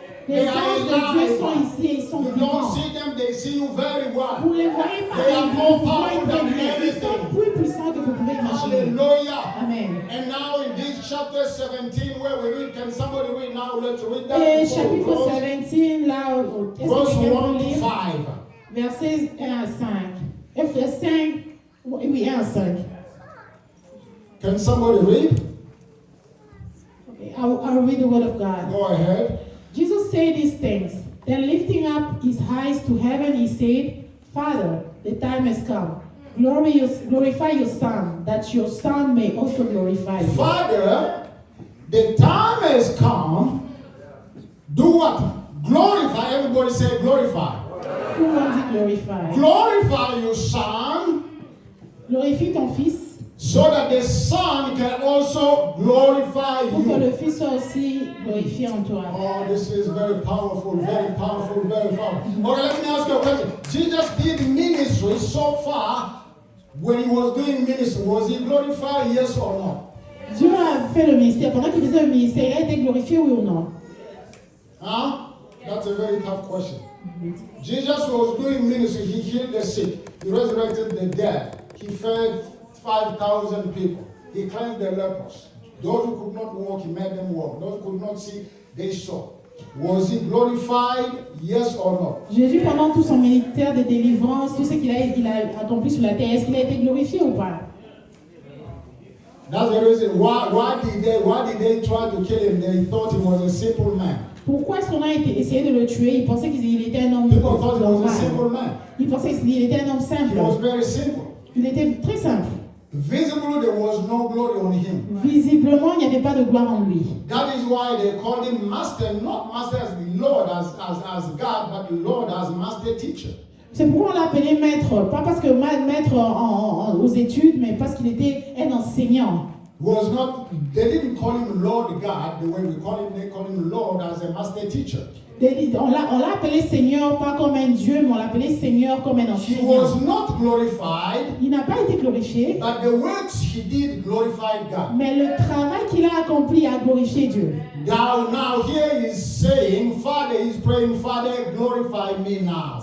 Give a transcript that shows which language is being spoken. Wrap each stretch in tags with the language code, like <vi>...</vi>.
<fr>Les anges de Dieu sont ici, ils sont vivants.</fr> <en>You don't see them, they see you very well.</en> <fr>Vous les voyez pas,</fr> <en>they are more powerful than anything.</en> <fr>Ils sont plus puissants que vous pouvez imaginer.</fr> <en>Hallelujah. Amen. And now in this chapter 17, where we read, can somebody read now? Let's read that.</en> <fr>Et chapitre 17, là,</fr> <en>verse 1 to 5.</en> <fr>Verses 1 à 5. Verses 5, oui, 1 à 5.</fr> <en>Can somebody read? Okay, I'll read the word of God. Go ahead. Jesus said these things. Then lifting up his eyes to heaven, he said, Father, the time has come. Glorify your son, that your son may also glorify you. Father, the time has come. Do what? Glorify. Everybody say glorify. Who wants to glorify? Glorify your son.</en> <fr>Glorifie ton fils.</fr> <en>So that the Son can also glorify you.</en> <fr>Pour que le Fils soit aussi glorifié en toi.</fr> <en>Oh, this is very powerful, very powerful, very powerful. Okay, let me ask you a question. Jesus did ministry so far. When he was doing ministry, was he glorified, yes or no?</en> <fr>Dieu a fait le ministère. Pendant qu'il faisait le ministère, il a été glorifié, oui ou non?</fr> <en>Huh? That's a very tough question. Jesus was doing ministry. He healed the sick. He resurrected the dead. He fed 5,000 people. He cleansed the lepers. Those who could not walk, he made them walk. Those who could not see, they saw. Was he glorified? Yes or no?</en> <fr>Jésus, pendant tout son ministère de délivrance, tout ce qu'il a accompli sur la terre, est-ce qu'il a été glorifié ou pas?</fr> <en>That's the reason. Why did they try to kill him? They thought he was a simple man.</en> <fr>Pourquoi est-ce qu'on a essayé de le tuer? Ils pensaient qu'il était un homme normal. Ils pensaient qu'il était un homme simple.</fr> <en>He was very simple.</en> <fr>Il était très simple.</fr> <en>Visibly, there was no glory on him.</en> <fr>Visiblement, il n'y avait pas de gloire en lui.</fr> <en>That is why they called him master, not master as Lord, as God, but Lord as master teacher.</en> <fr>C'est pourquoi on l'appelait maître, pas parce que maître aux études, mais parce qu'il était un enseignant.</fr> <en>Was not. They didn't call him Lord God the way we call him. They call him Lord as a master teacher.</en> <fr>On l'a appelé Seigneur pas comme un Dieu, mais on l'a appelé Seigneur comme un enseignant.</fr> <en>He was not glorified.</en> <fr>Il n'a pas été glorifié.</fr> <en>But the works he did glorified God.</en> <fr>Mais le travail qu'il a accompli a glorifié Dieu.</fr> <en>Now here he's saying, Father, he's praying, Father, glorify me now.</en>